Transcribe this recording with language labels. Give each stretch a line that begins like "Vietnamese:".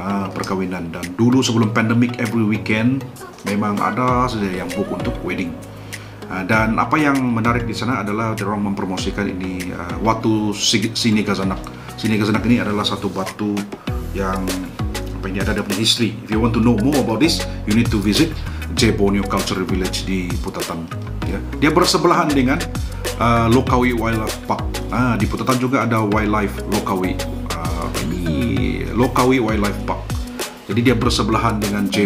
Malay: Perkawinan, dan dulu sebelum pandemic,
English: every weekend
Malay: memang ada saja yang book untuk wedding. Dan apa yang menarik di sana adalah orang mempromosikan ini Watu Sinigazanak. Sinigazanak ini adalah satu batu yang apa ini ada dalam history.
English: If you want to know more about this, you need to visit J.
Malay: Borneo Cultural Village di Putatan. Dia bersebelahan dengan Lokawi Wildlife Park. Di Putatan juga ada Wildlife Lokawi. Ini Lokawi Wildlife Park. Jadi dia bersebelahan dengan J.